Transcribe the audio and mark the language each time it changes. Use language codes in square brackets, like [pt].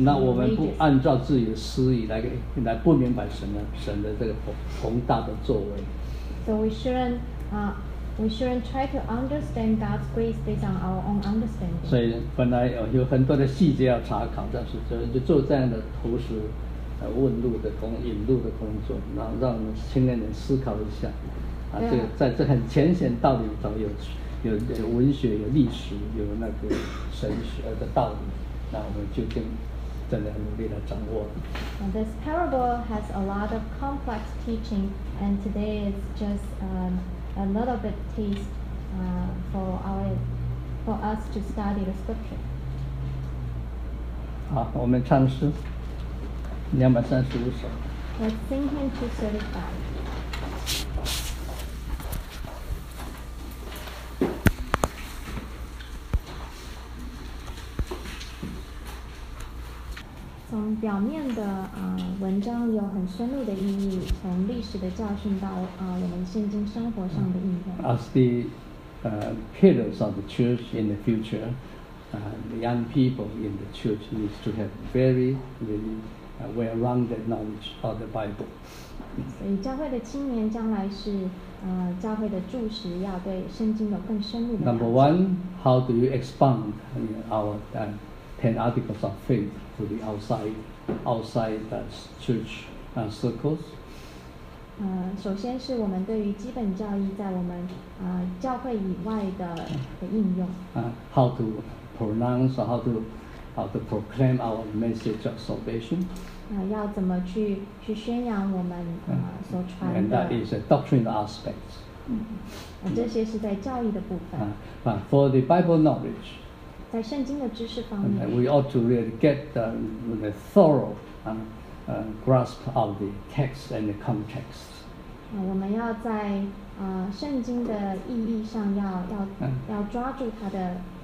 [zh] 那我们不按照自己的私意来不明白神的这个宏大的作为。 [en] So we shouldn't We shouldn't try to understand God's grace based on our own understanding. [zh] 所以本来有很多的细节要查考，但是就做这样的投石、问路的工、引路的工作，然后让青年人思考一下，啊，这个在这很浅显道理里头有文学、有历史、有那个神学的道理，那我们究竟真的努力来掌握。 [en] And this parable has a lot of complex teaching, and today it's just a little bit taste for us to study the scripture. [zh] 好，我们唱诗235首。 [en] Let's sing hymn 235. [zh] From 表面的文章有很深入的意义，从历史的教训到我们现今生活上的应用。 [en] As the pillars of the church in the future, the young people in the church need to have very, very well-rounded knowledge of the Bible. [zh] 所以教会的青年将来是教会的柱石，要对圣经有更深入的了解。 [en] Number one, how do you expand our ten articles of faith to the outside the church circles? [zh] 首先是我们对于基本教义在我们教会以外的应用。 [en] How to pronounce or how to proclaim our message of salvation? [zh] 要怎么去宣扬我们所传的。 [en] And that is a doctrine aspect. [zh] 这些是在教义的部分。 [en] But for the Bible knowledge, [zh] 在圣经的知识方面 [en] we ought to really get the thorough grasp of the text and the context. [zh] 我们要在圣经的意义上要抓住它的